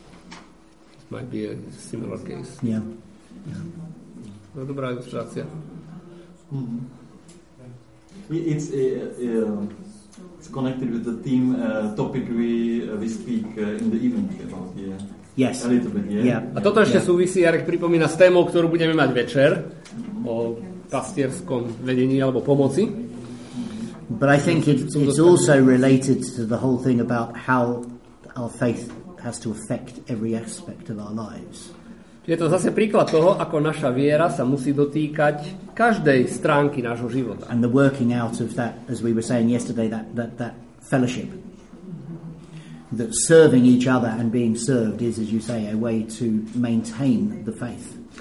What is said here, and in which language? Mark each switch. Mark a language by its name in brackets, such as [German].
[English] It might be a similar case. Yeah. Yeah. [Slovak] No, dobrá ilustrácia. [English] It's connected with the theme, topic we speak in the evening about, yeah. Yes. A little bit, yeah. Yeah. [Slovak] A toto ešte súvisí, Jarek pripomína, s témou, ktorú budeme mať večer, o pastierskom vedení alebo pomoci. [English] But I think it's also related to the whole thing about how our faith has to affect every aspect of our lives. [Slovak] Je to zase príklad toho, ako naša viera sa musí dotýkať každej stránky nášho života. [English] And the working out of that, as we were saying yesterday, that fellowship. That serving each other and being served is, as you say, a way to maintain the faith.